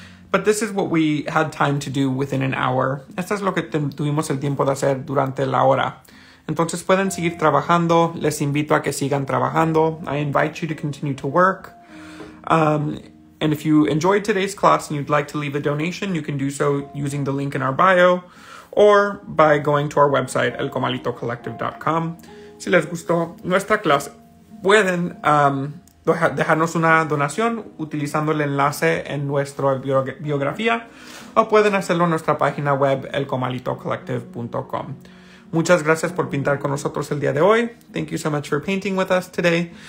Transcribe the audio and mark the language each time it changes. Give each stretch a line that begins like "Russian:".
English: But this is what we had time to do within an hour.
Spanish: Esto es lo que tuvimos el tiempo de hacer durante la hora. Entonces pueden seguir trabajando. Les invito a que sigan trabajando.
English: I invite you to continue to work. And if you enjoyed today's class and you'd like to leave a donation, you can do so using the link in our bio or by going to our website, elcomalitocollective.com.
Spanish: Si les gustó nuestra clase, pueden dejarnos una donación utilizando el enlace en nuestra biografía o pueden hacerlo en nuestra página web, elcomalitocollective.com. Muchas gracias por pintar con nosotros el día de hoy.
English: Thank you so much for painting with us today.